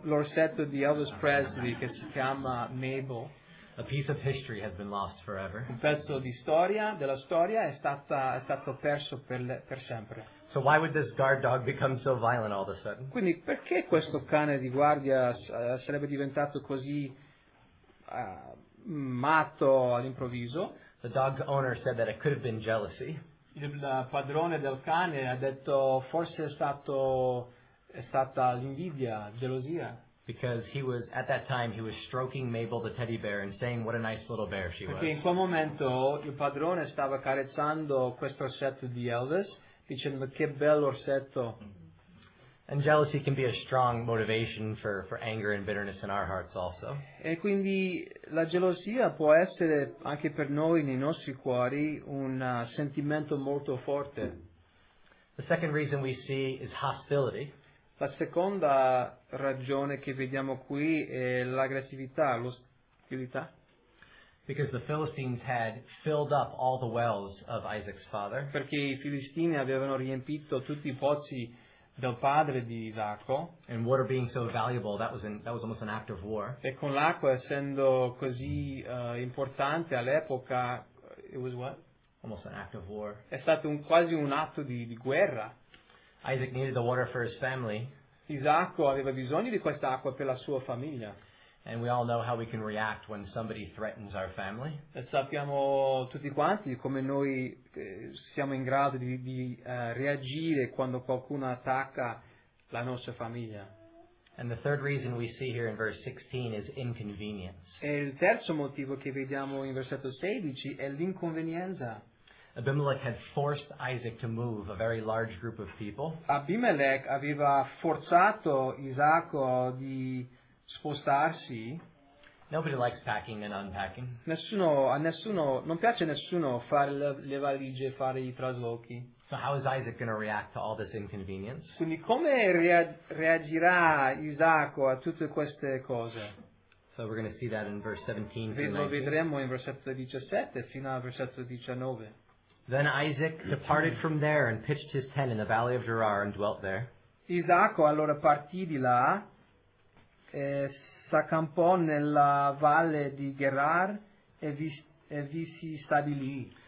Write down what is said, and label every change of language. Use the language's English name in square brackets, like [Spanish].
[Italian] L'orsetto di Elvis Presley, che si chiama Mabel. [English] A piece of history has been lost forever. [Italian] Un pezzo di storia, della storia, è stato perso per sempre. [English] So why would this guard dog become so violent all of a sudden? [Italian] Quindi perché questo cane di guardia sarebbe diventato così matto all'improvviso? [English] The dog owner said that it could have been jealousy. [Italian] Il padrone del cane ha detto forse è stata l'invidia, gelosia. [English] Because he was at that time he was stroking Mabel the teddy bear and saying what a nice little bear she [Italian] Perché [English] was. [Italian] In quel momento il padrone stava carezzando questo orsetto di Elvis dicendo che bello orsetto. [English] And jealousy can be a strong motivation for anger and bitterness in our hearts also. [Italian] E quindi la gelosia può essere anche per noi nei nostri cuori un sentimento molto forte. [English] The second reason we see is hostility. [Italian] La seconda ragione che vediamo qui è l'aggressività, l'ostilità. [English] Because the Philistines had filled up all the wells of Isaac's father. [Italian] Perché i filistini avevano riempito tutti i pozzi del padre di Isacco. [English] And water being so valuable, that was almost an act of war. [Italian] E con l'acqua essendo così importante all'epoca, [English] it was what? Almost an act of war. [Italian] È stato quasi un atto di guerra. [English] Isaac needed the water for his family. [Italian] Isacco aveva bisogno di quest'acqua per la sua famiglia. [English] And we all know how we can react when somebody threatens our family. [Italian] E sappiamo tutti quanti come noi siamo in grado di reagire quando qualcuno attacca la nostra famiglia. [English] And the third reason we see here in verse 16 is inconvenience. [Italian] E il terzo motivo che vediamo in versetto 16 è l'inconvenienza. [English] Abimelech had forced Isaac to move a very large group of people. [Italian] Abimelech aveva forzato Isacco di spostarsi. [English] Nobody likes packing and unpacking. [Italian] Non piace a nessuno fare le valigie, fare i traslochi. [English] So how is Isaac going to react to all this inconvenience? [Italian] Quindi come reagirà Isacco a tutte queste cose? [English] So we're going to see that in verse 17. [Italian] Lo vedremo in versetto 17 fino al versetto 19. [English] Then Isaac departed from there and pitched his tent in the valley of Gerar and dwelt there. [Italian] Isacco allora partì di là e s'accampò nella valle di Gerar e vi si stabilì.